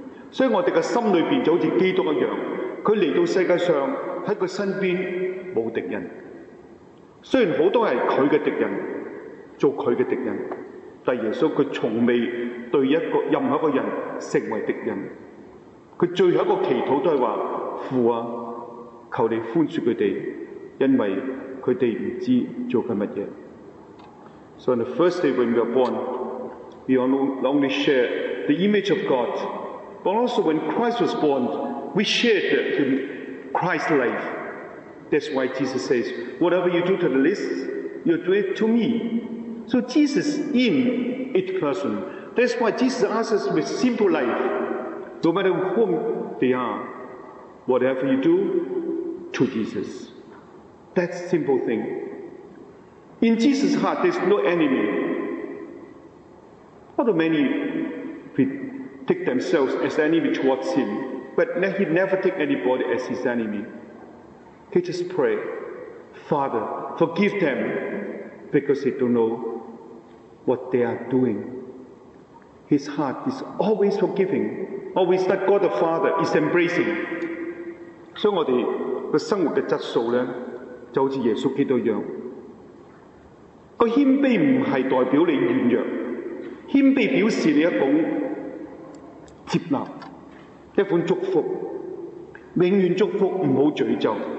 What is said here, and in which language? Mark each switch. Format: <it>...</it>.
<zh>所以我们的心里面就好像基督一样，他来到世界上，在他身边没有敌人，虽然很多是他的敌人，做他的敌人，但耶稣他从未对一个任何一个人成为敌人。他最后一个祈祷都是说，父啊，求你宽恕他们，因为他们不知道做了什么。</zh> <en>So on the first day when we are born, we not only share the image of God, but also when Christ was born, we shared Christ's life. That's why Jesus says, whatever you do to the least, you do it to me. So Jesus in each person. That's why Jesus asks us with simple life, no matter whom they are, whatever you do, to Jesus. That's a simple thing. In Jesus' heart, there's no enemy. Not many take themselves as enemy towards him, but he never take anybody as his enemy. He just pray, Father, forgive them because they don't know what they are doing. His heart is always forgiving, always that God the Father is embracing.</en> <zh>所以我们的生活的质素呢，就好像耶稣基督一样。个谦卑不是代表你软弱，谦卑表示你一种接纳，一款祝福，永远祝福，不要诅咒。</zh>